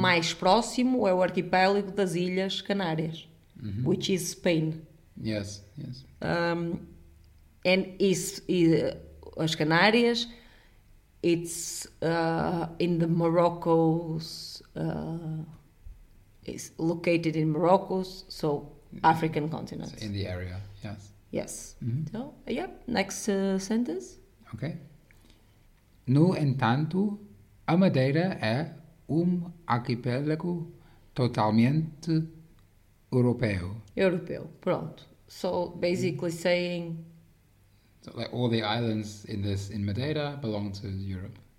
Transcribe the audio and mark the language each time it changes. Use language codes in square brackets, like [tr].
[pt] Mais próximo é o arquipélago das Ilhas Canárias. [en] Mm-hmm. Which is Spain. Yes, yes. And is as Canárias, it's in the Morocco's, it's located in Morocco's, so African continent. In the area, yes. Yes. Mm-hmm. So, yep, yeah, next sentence. Okay. [pt] No entanto, a Madeira é arquipélago totalmente Europeu. Europeu, pronto. [en] So basically saying. So like all the islands in Madeira belong to Europe.